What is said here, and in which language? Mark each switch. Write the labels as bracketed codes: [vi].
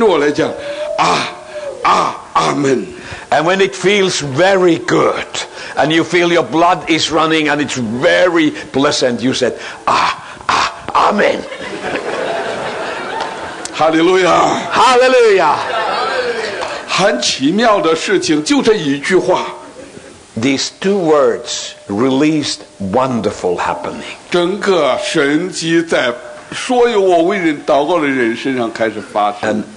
[zh] 我说按照舒服的时候，你都跟着我来讲，啊，阿门。 [en] And when it feels very good, and you feel your blood is running, and it's very pleasant, you said, Amen. Hallelujah. Hallelujah. [zh] 很奇妙的事情，就这一句话。 [en] These two words released wonderful happening. [zh] 整个神迹在所有我为人祷告的人身上开始发生。